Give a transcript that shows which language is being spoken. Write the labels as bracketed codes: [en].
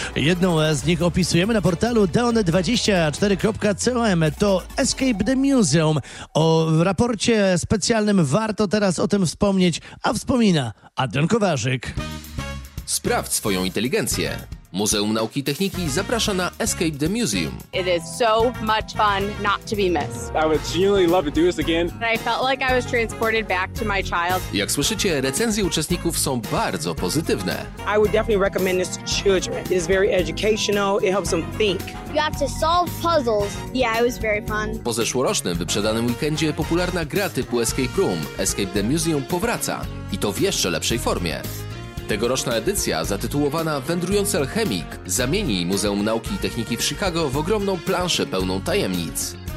[pl] Jedną z nich opisujemy na portalu deon24.com. To Escape the Museum. O raporcie specjalnym warto teraz o tym wspomnieć, a wspomina Adrian Kowarzyk. Sprawdź swoją inteligencję. Muzeum Nauki i Techniki zaprasza na Escape the Museum. [en] It is so much fun not to be missed. I would genuinely love to do this again. I felt like I was transported back to my child. [pl] Jak słyszycie, recenzje uczestników są bardzo pozytywne. [en] I would definitely recommend this to children. It is very educational. It helps them think. You have to solve puzzles. Yeah, it was very fun. [pl] Po zeszłorocznym wyprzedanym weekendzie popularna gra typu Escape Room, Escape the Museum powraca. I to w jeszcze lepszej formie. Tegoroczna edycja, zatytułowana Wędrujący Alchemik, zamieni Muzeum Nauki i Techniki w Chicago w ogromną planszę pełną tajemnic.